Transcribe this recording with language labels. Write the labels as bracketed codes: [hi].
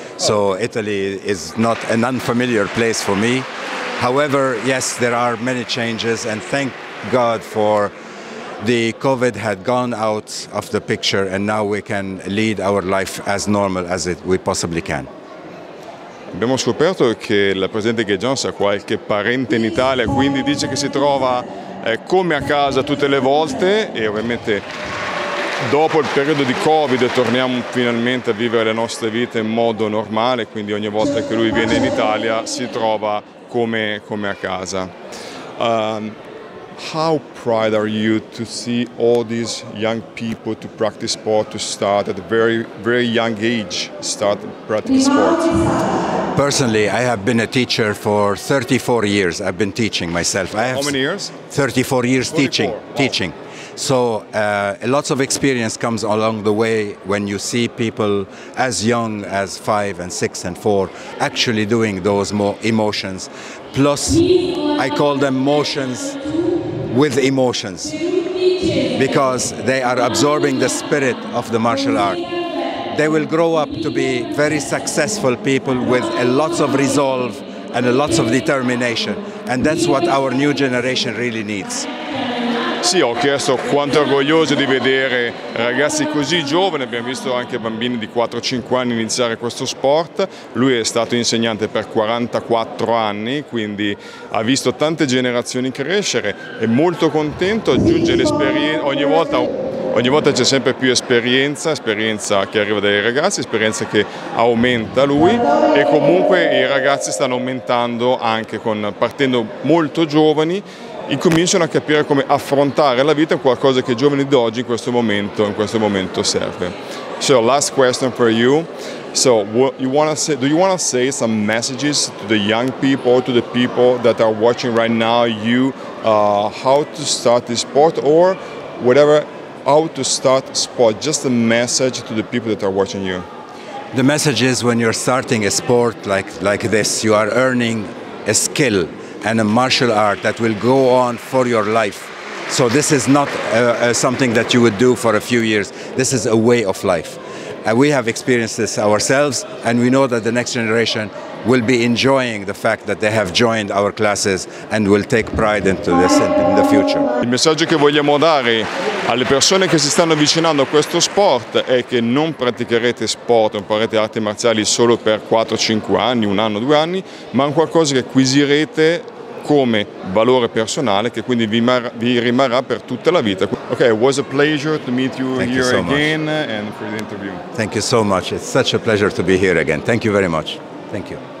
[en] So Italy is not an unfamiliar place for me. However, yes, there are many changes, and thank God for the COVID had gone out of the picture, and now we can lead our life as normal as we possibly can. [it] Abbiamo scoperto che la presidente Gay Jones ha qualche parente in Italia, quindi dice che si trova come a casa tutte le volte, e ovviamente dopo il periodo di Covid torniamo finalmente a vivere le nostre vite in modo normale, quindi ogni volta che lui viene in Italia si trova come a casa. [en] How proud are you to see all these young people to practice sport, to start at a very, very young age, start practicing sport? Personally, I have been a teacher for 34 years. I've been teaching myself. How many years? 34 years teaching. Wow. Teaching. So lots of experience comes along the way when you see people as young as 5 and 6 and 4 actually doing those emotions. Plus, I call them motions with emotions, because they are absorbing the spirit of the martial art. They will grow up to be very successful people with a lot of resolve and a lot of determination. And that's what our new generation really needs. [it] Sì, ho chiesto quanto orgoglioso di vedere ragazzi così giovani, abbiamo visto anche bambini di 4-5 anni iniziare questo sport. Lui è stato insegnante per 44 anni, quindi ha visto tante generazioni crescere, è molto contento, aggiunge l'esperienza, ogni volta c'è sempre più esperienza che arriva dai ragazzi, esperienza che aumenta lui, e comunque i ragazzi stanno aumentando anche partendo molto giovani. Incominciano a capire come affrontare la vita, qualcosa che i giovani d'oggi in questo momento serve. [en] So last question for you. So do you want to say some messages to the young people, to the people that are watching right now, you how to start this sport or whatever, how to start sport, just a message to the people that are watching you? The message is, when you're starting a sport like this, you are earning a skill and a martial art that will go on for your life. So this is not something that you would do for a few years. This is a way of life. And we have experienced this ourselves, and we know that the next generation will be enjoying the fact that they have joined our classes and will take pride into this in the future. [it] Il messaggio che vogliamo dare alle persone che si stanno avvicinando a questo sport è che non praticherete sport, non farete arti marziali solo per 4-5 anni, un anno, due anni, ma è qualcosa che acquisirete come valore personale, che quindi vi rimarrà per tutta la vita. [en] Ok, it was a pleasure to meet you Thank here you so again much. And for the interview. Thank you so much. It's such a pleasure to be here again. Thank you very much. Thank you.